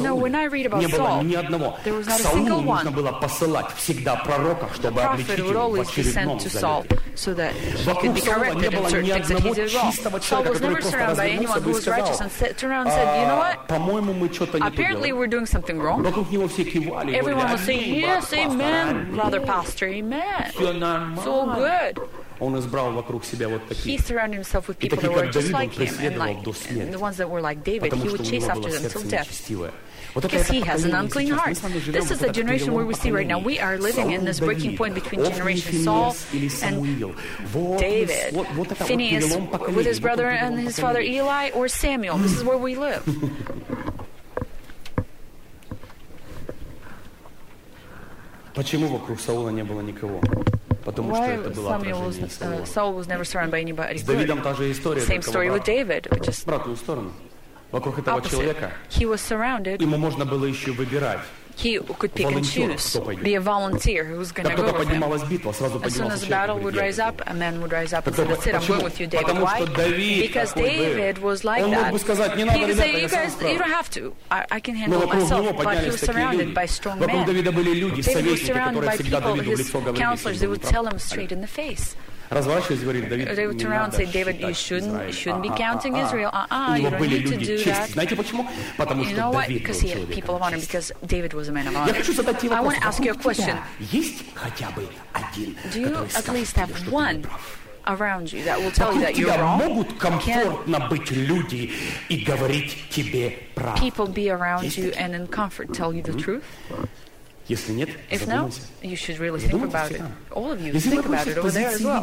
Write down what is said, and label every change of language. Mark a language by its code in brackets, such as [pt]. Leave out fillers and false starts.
[en] you know, when I read about Saul, there was not a single one. [ru] Нужно было посылать всегда пророка, чтобы [en] the prophet would always be sent to Saul so that he could be corrected in certain things that he did wrong. Saul was never surrounded by anyone who was righteous and turned around and said, you know what? [ru] По-моему, мы что-то не [en] apparently we're doing something wrong. Everyone was saying, yes, amen, brother pastor, amen. So good. [ru] Он избрал вокруг себя вот такие. [en] He surrounded himself with people [ru] такие, [en] that were just like him and, like, and the ones that were like David. [ru] Потому [en] he would chase after them till death. [ru] Нечестивое. [en] Because he has an unclean heart. This is the generation where we see right now. We are living in this breaking point between generation Saul and David. Phineas with his brother and his father Eli or Samuel. This is where we live. [ru] Почему вокруг Саула не было никого? Потому [en] why [ru] что это было отражение [en] Saul was never surrounded by anybody. [ru] С Давидом та же история. [en] Same story with David. [ru] В обратную сторону. Вокруг этого человека. [en] He was surrounded. [ru] Ему можно было еще выбирать. [en] He could pick and choose. Be a volunteer who's going to go with him. As soon as the battle would rise up, a man would rise up and say, that's it, I'm going with you, David. Why? Because David was like that. He could say, you guys, you don't have to. I can handle myself. But he was surrounded by strong men. David was surrounded by people, his counselors. They would tell him straight in the face. [ru] разворачивались и говорили: Давид, [en] they would turn around and say, David, you shouldn't be counting Israel. [ru] У него были люди чести. Знаете почему? Потому что Давид был человеком чести. Я хочу задать тебе вопрос. У тебя есть хотя бы один, который скажет тебе, что ты не прав? [en] Around you that will tell you that you're wrong. [ru] Могут комфортно быть люди и говорить тебе правду. [en] People be around you and in comfort tell you the truth. [ru] Если нет, [en] if no, you should really think about it. All of you think about it over there as well.